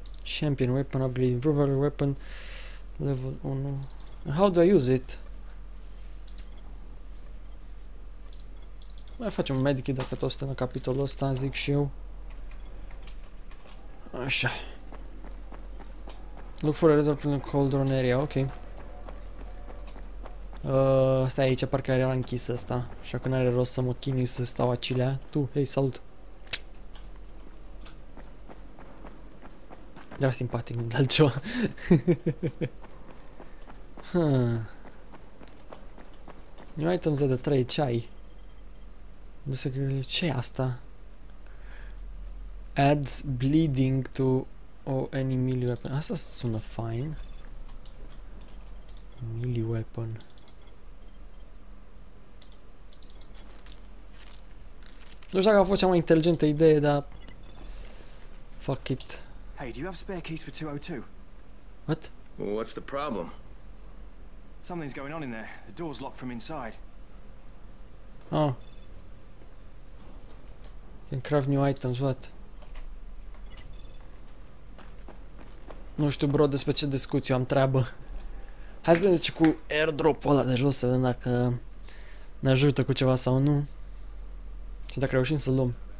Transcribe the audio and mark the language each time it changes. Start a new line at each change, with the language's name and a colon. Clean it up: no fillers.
English: Champion weapon upgrade, improver weapon level 1. How do I use it?
Romanian: Mai facem medic dacă tot stă în capitolul ăsta, zic și eu. Așa.
English: Look for a redor prin cauldron area, ok.
Romanian: Stai aici, parcă era închis asta. Așa că n-are rost să mă chinui să stau acilea. Tu, hei, salut! Era simpatic, nu-mi dau ceva.
English: New items
Romanian: de 3, ce ai? Nu se gândește, ce e asta?
English: Adds bleeding to o any melee weapon.
Romanian: Asta sună fine.
English: Melee weapon.
Romanian: Nu știu dacă a fost cea mai inteligentă idee, dar...
English: fuck it. Hey, do you have spare keys for 202? What? Well, what's the problem? Something's going on in there. The door's locked from inside. Oh. Can craft new items, what?
Romanian: Nu știu, bro, despre ce discuți, eu am treabă. Hai să zic cu airdrop-ul ăla de jos, să vedem dacă ne ajută cu ceva sau nu. Și dacă reușim să-l luăm.